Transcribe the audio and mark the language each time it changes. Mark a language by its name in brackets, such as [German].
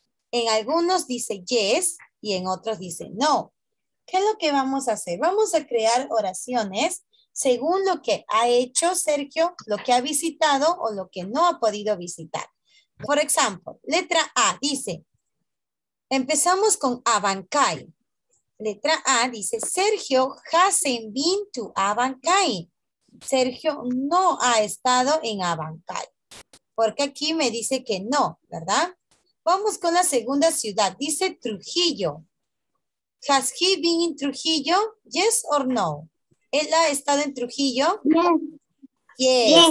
[Spanish] En algunos dice yes y en otros dice no. ¿Qué es lo que vamos a hacer? Vamos a crear oraciones según lo que ha hecho Sergio, lo que ha visitado o lo que no ha podido visitar. Por ejemplo, letra A dice, empezamos con Abancay. Letra A dice, [English] Sergio hasn't been to Abancay. [Spanish] Sergio no ha estado en Abancay. Porque aquí me dice que no, ¿verdad? Vamos con la segunda ciudad. Dice [English] Trujillo. Has he been in Trujillo? Yes or no? [Spanish] ¿Él ha estado en Trujillo? [English] Yes.